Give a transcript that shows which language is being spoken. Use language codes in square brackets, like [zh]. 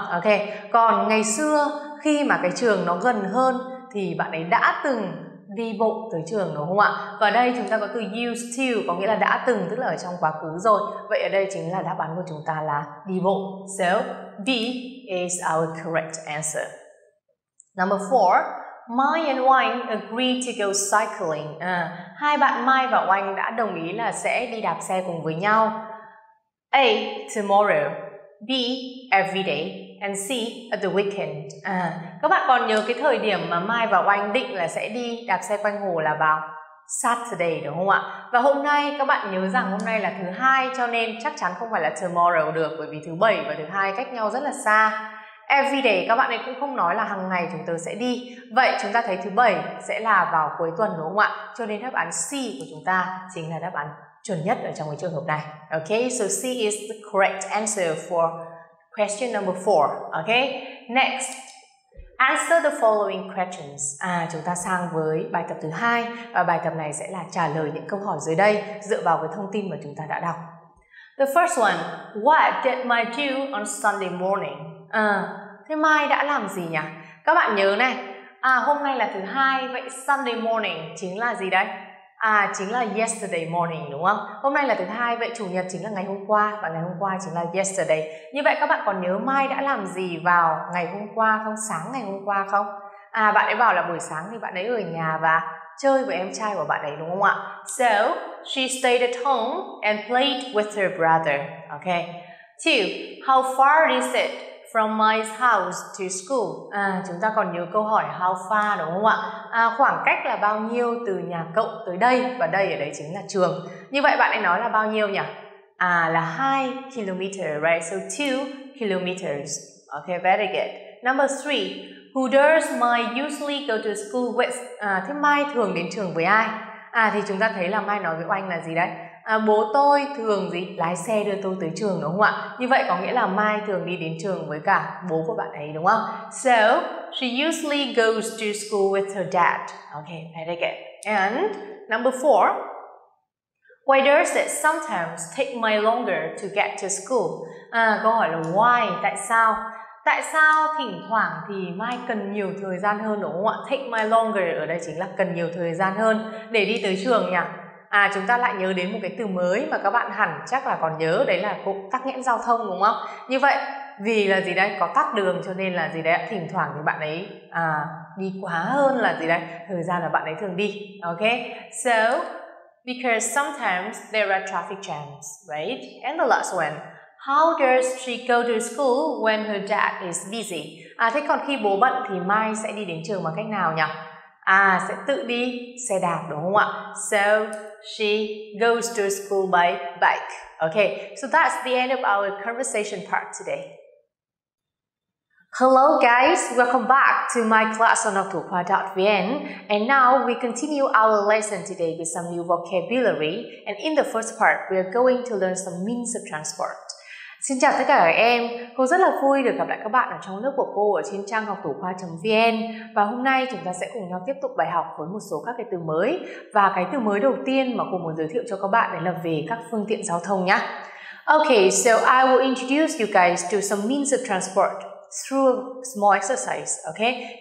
[vi] Ok, còn ngày xưa khi mà cái trường nó gần hơn thì bạn ấy đã từng đi bộ tới trường, đúng không ạ? Và đây chúng ta có từ used to, có nghĩa là đã từng, tức là ở trong quá khứ rồi. Vậy ở đây chính là đáp án của chúng ta là đi bộ. [en] So, D is our correct answer. Number 4, Mai and Wayne agree to go cycling. [vi] À, hai bạn Mai và Wayne đã đồng ý là sẽ đi đạp xe cùng với nhau. [en] A, tomorrow. B, every day. And C, at the weekend. [vi] À, các bạn còn nhớ cái thời điểm mà Mai và Oanh định là sẽ đi đạp xe quanh hồ là vào Saturday, đúng không ạ? Và hôm nay các bạn nhớ rằng hôm nay là thứ hai, cho nên chắc chắn không phải là tomorrow được, bởi vì thứ bảy và thứ hai cách nhau rất là xa. Every day các bạn ấy cũng không nói là hàng ngày chúng tôi sẽ đi. Vậy chúng ta thấy thứ bảy sẽ là vào cuối tuần, đúng không ạ? Cho nên đáp án C của chúng ta chính là đáp án chuẩn nhất ở trong cái trường hợp này. [en] Okay, so C is the correct answer for question number 4, okay? Next, answer the following questions. [vi] À, chúng ta sang với bài tập thứ 2, và bài tập này sẽ là trả lời những câu hỏi dưới đây dựa vào cái thông tin mà chúng ta đã đọc. [en] The first one, what did Mai do on Sunday morning? [vi] À, thế Mai đã làm gì nhỉ? Các bạn nhớ này, à, hôm nay là thứ 2, vậy Sunday morning chính là gì đấy? À, chính là yesterday morning, đúng không? Hôm nay là thứ hai, vậy chủ nhật chính là ngày hôm qua, và ngày hôm qua chính là yesterday. Như vậy các bạn còn nhớ Mai đã làm gì vào ngày hôm qua không? Sáng ngày hôm qua không? À, bạn ấy bảo là buổi sáng thì bạn ấy ở nhà và chơi với em trai của bạn ấy đúng không ạ? [en] So, she stayed at home and played with her brother. Okay. Two, how far is it from my house to school? [vi] À, chúng ta còn nhớ câu hỏi how far đúng không ạ? À, khoảng cách là bao nhiêu từ nhà cậu tới đây? Và đây ở đây chính là trường. Như vậy bạn ấy nói là bao nhiêu nhỉ? [en] À, là 2 kilometer, right? So 2 kilometers. Okay, very good. Number 3. Who does Mai usually go to school with? [vi] À, thế Mai thường đến trường với ai? À, thì chúng ta thấy là Mai nói với Oanh là gì đấy? À, bố tôi thường gì? Lái xe đưa tôi tới trường đúng không ạ? Như vậy có nghĩa là Mai thường đi đến trường với cả bố của bạn ấy đúng không? [en] So, she usually goes to school with her dad. Okay, very good. And number 4. Why does it sometimes take Mai longer to get to school? [vi] À, câu hỏi là why, tại sao? Tại sao thỉnh thoảng thì Mai cần nhiều thời gian hơn đúng không ạ? Take Mai longer ở đây chính là cần nhiều thời gian hơn để đi tới trường nhỉ? À, chúng ta lại nhớ đến một cái từ mới mà các bạn hẳn chắc là còn nhớ, đấy là cụm tắc nghẽn giao thông đúng không? Như vậy, vì là gì đây? Có tắc đường cho nên là gì đấy? Thỉnh thoảng thì bạn ấy đi quá hơn là gì đây? Thời gian là bạn ấy thường đi. [en] Ok, so because sometimes there are traffic jams, right? And the last one, how does she go to school when her dad is busy? [vi] À, thế còn khi bố bận thì Mai sẽ đi đến trường bằng cách nào nhỉ? À, sẽ tự đi xe đạp đúng không ạ? [en] So she goes to school by bike. Okay, so that's the end of our conversation part today. Hello guys, welcome back to my class on okthukhoa.vn. And now we continue our lesson today with some new vocabulary. And in the first part, we are going to learn some means of transport. [vi] Xin chào tất cả các em, cô rất là vui được gặp lại các bạn ở trong lớp của cô ở trên trang okthukhoa.vn. Và hôm nay chúng ta sẽ cùng nhau tiếp tục bài học với một số các cái từ mới. Và cái từ mới đầu tiên mà cô muốn giới thiệu cho các bạn đấy là về các phương tiện giao thông nhé. [en] Okay, so I will introduce you guys to some means of transport through a small exercise, okay?